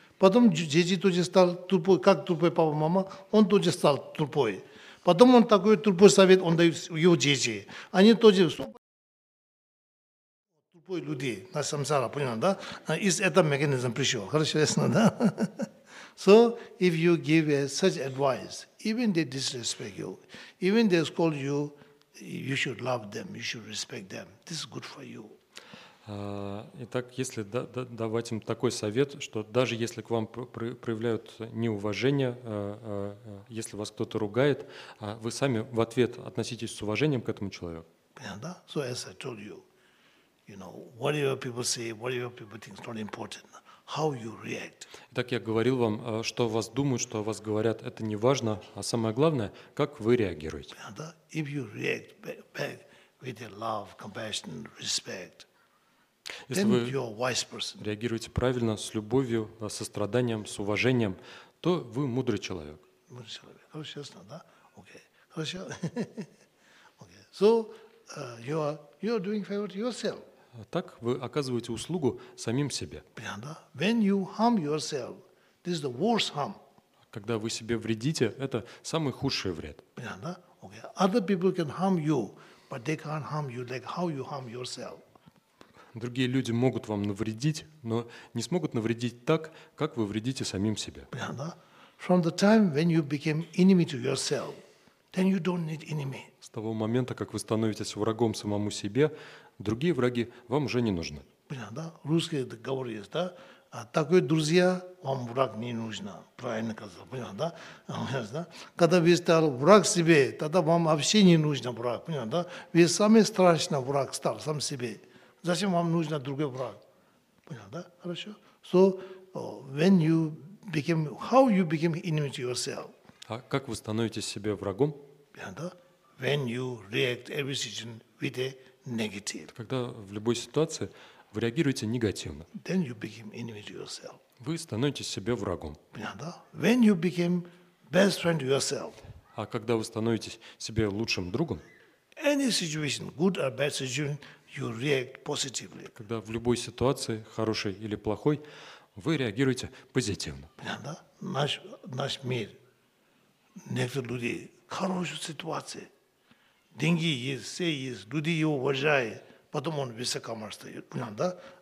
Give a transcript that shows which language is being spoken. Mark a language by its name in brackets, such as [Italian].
[Russian] Потом дети тоже стали тупой, как тупой папа, мама, он тоже стал тупой. Потом он такой тупой совет, он дает его дети. Они тоже тупой люди, на самсара, понял, да? Из этого механизм пришел, хорошо, ясно, да? [English] So, if you give such advice, even they disrespect you, even they scold you, you should love them, you should respect them. This is good for you. [Russian] Итак, если давать им такой совет, что даже если к вам проявляют неуважение, если вас кто-то ругает, вы сами в ответ относитесь с уважением к этому человеку. Да? [English] So, as I told you, you know, whatever people say, whatever people think is not important. How you react. [Russian] Итак, я говорил вам, что о вас думают, что о вас говорят, это не важно, а самое главное, как вы реагируете. Да? [English] If you react back with love, compassion, respect, [Russian] Если вы реагируете правильно, с любовью, состраданием, с уважением, то вы мудрый человек. Мудрый человек. Хорошо, честно, да? Окей. Хорошо. Окей. [English] So, you are doing favor to yourself. [Russian] Так вы оказываете услугу самим себе. Да? [English] When you harm yourself, this is the worst harm. [Russian] Когда вы себе вредите, это самый худший вред. Да? Окей. [English] Other people can harm you, but they can't harm you like how you harm yourself. [Russian] Другие люди могут вам навредить, но не смогут навредить так, как вы вредите самим себе. [English] From the time when you became enemy to yourself, then you don't need enemy. [Russian] С того момента, как вы становитесь врагом самому себе, другие враги вам уже не нужны. Русский договор есть, да? Такой друзья вам враг не нужно. Правильно сказал, понятно, да? Когда вы стали враг себе, тогда вам вообще не нужно враг, понятно, да? Вы самый страшный враг стал сам себе. Зачем вам нужен другой враг? Понял, да? Хорошо. [English] So, when you became, how you became enemy to yourself? [Russian] А как вы становитесь себе врагом? Понял, да? [English] When you react every situation with a negative. [Russian] Когда в любой ситуации вы реагируете негативно. [English] Then you became enemy to yourself. [Russian] Вы становитесь себе врагом. Понял, да? [English] When you became best friend to yourself. [Russian] А когда вы становитесь себе лучшим другом? [English] Any situation, good or bad situation, you react positively. [Russian] Когда в любой ситуации, хорошей или плохой, вы реагируете позитивно. Да? Наш мир, некоторые люди, хорошая ситуация, деньги есть, все есть, люди его уважают, потом он высокомерный. Да?